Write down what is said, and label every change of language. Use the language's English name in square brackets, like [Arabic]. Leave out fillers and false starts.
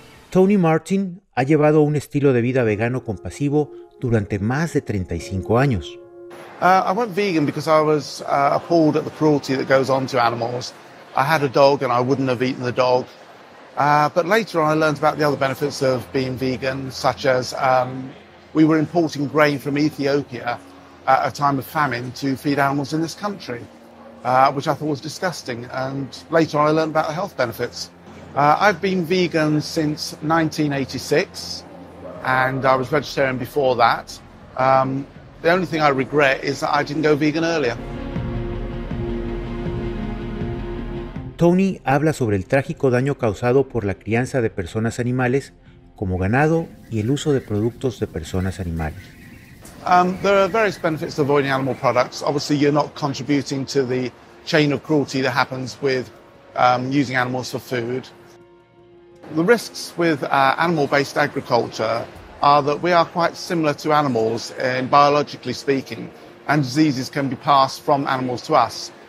[Spanish] Tony Martin ha llevado un estilo de vida vegano compasivo durante más de 35 años. [English] I went vegan because I was appalled at the cruelty that goes on to animals. I had a dog and I wouldn't have eaten the dog. But later on, I learned about the other benefits of being vegan, such as we were importing grain from Ethiopia at a time of famine to feed animals in this country, which I thought was disgusting. And later on, I learned about the health benefits. I've been vegan since 1986, and I was vegetarian before that. The only thing I regret is that I didn't go vegan earlier. [Spanish] Tony habla sobre el trágico daño causado por la crianza de personas animales como ganado y el uso de productos de personas animales. [English] There are various benefits to avoiding animal products. Obviously, you're not contributing to the chain of cruelty that happens with using animals for food. The risks with animal-based agriculture are that we are quite similar to animals in biologically speaking, and diseases can be passed from animals to us.